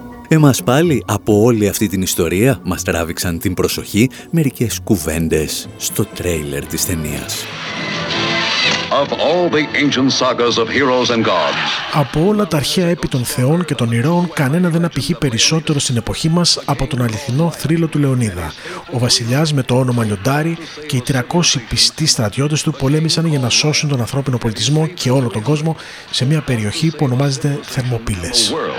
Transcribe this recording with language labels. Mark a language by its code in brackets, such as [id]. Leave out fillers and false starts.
[el] Εμάς πάλι από όλη αυτή την ιστορία μας τράβηξαν την προσοχή μερικές κουβέντες στο τρέιλερ της ταινίας. [en] Of all the ancient sagas of heroes and gods. [el] Από όλα τα αρχαία έπι των θεών και των ηρώων, κανένα δεν απηχεί περισσότερο στην εποχή μας από τον αληθινό θρύλο του Λεωνίδα. Ο βασιλιάς με το όνομα Λιοντάρι και οι 300 πιστοί στρατιώτες του πολέμησαν για να σώσουν τον ανθρώπινο πολιτισμό και όλο τον κόσμο σε μια περιοχή που ονομάζεται Θερμοπύλες.